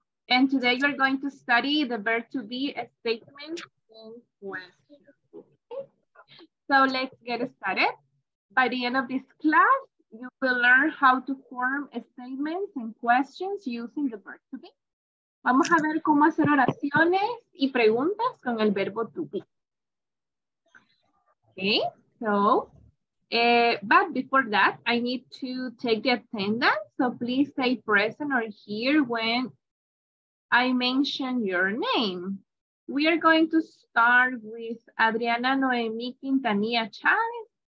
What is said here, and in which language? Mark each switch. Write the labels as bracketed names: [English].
[English] And today we're going to study the verb to be, a statement in question. So let's get started. By the end of this class, you will learn how to form statements and questions using the verb to be. [Spanish] Vamos a ver cómo hacer oraciones y preguntas con el verbo to be. [English] Okay, so, but before that, I need to take the attendance. So please stay present or here when I mention your name. We are going to start with Adriana Noemi Quintanilla Chavez.